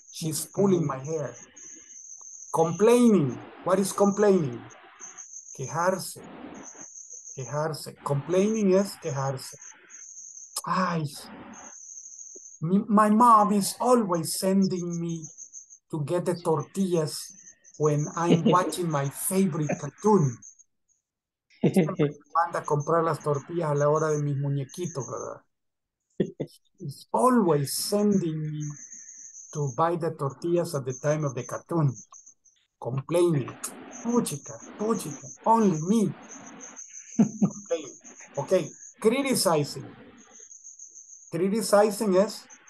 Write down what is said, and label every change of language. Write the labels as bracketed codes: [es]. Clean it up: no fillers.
[en] She's pulling my hair. Complaining. What is complaining? [es] Quejarse. Quejarse. Complaining es quejarse. Ay. [en] My mom is always sending me to get the tortillas when I'm watching my favorite cartoon. [es] Manda a comprar las tortillas a la hora de mis muñequitos, ¿verdad? [en] He's always sending me to buy the tortillas at the time of the cartoon. Complaining. Puchica. Only me. Complaining. Okay. Criticizing. [es] Criticizing es